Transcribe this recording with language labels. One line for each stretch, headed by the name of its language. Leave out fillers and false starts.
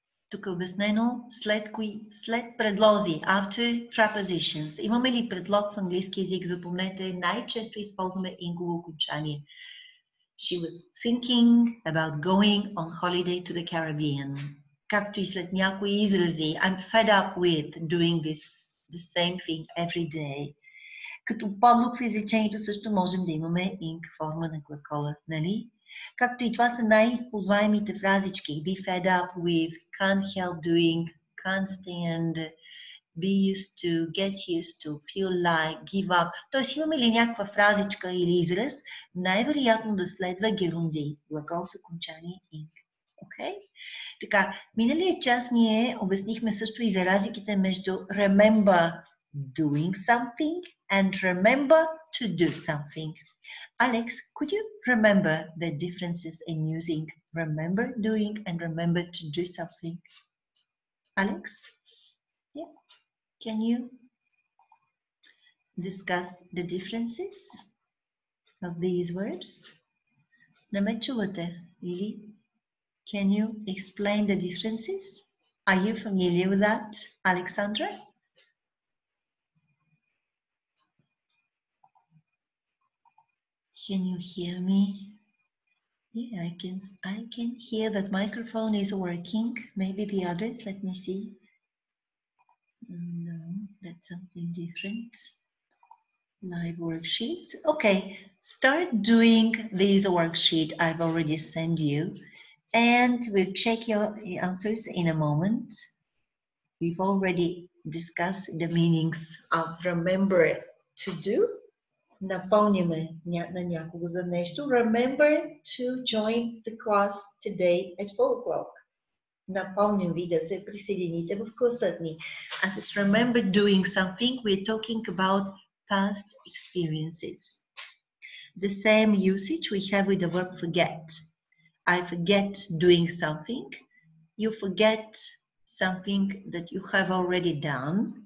Bulgarian: Тук обяснено след кои, след предлози,
English: after prepositions.
Bulgarian: Имаме ли предлог в английски език? Запомнете, най-често използваме ингово окончание.
English: She was thinking about going on holiday to the Caribbean.
Bulgarian: Както и след някои изрази.
English: I'm fed up with doing this, the same thing every day.
Bulgarian: Като подлог в изречението също можем да имаме инг форма на глагола, нали? Както и това са най-използваемите фразички.
English: Be fed up with, can't help doing, can't stand, be used to, get used to, feel like, give up.
Bulgarian: Тоест имаме ли някаква фразичка или израз, най-вероятно да следва герунди. Глагол с окончание ing.
English: Okay?
Bulgarian: Така, миналия час ние обяснихме също и за разликите между
English: remember doing something and remember to do something. Alex, could you remember the differences in using remember doing and remember to do something? Alex? Yeah. Can you discuss the differences of these words?
Bulgarian: Не ме чувате, Лили?
English: Can you explain the differences? Are you familiar with that, Alexandra? Can you hear me? Yeah, I can hear that microphone is working. Maybe the others, let me see. No, that's something different. Live worksheets. Okay, start doing this worksheet I've already sent you. And we'll check your answers in a moment. We've already discussed the meanings of remember to do.
Bulgarian: Напомняме на някого за нещо.
English: Remember to join the class today at 4 o'clock.
Bulgarian: Напомням ви да се присъедините в класът ни.
English: As is remember doing something, we're talking about past experiences. The same usage we have with the verb forget. I forget doing something. You forget something that you have already done.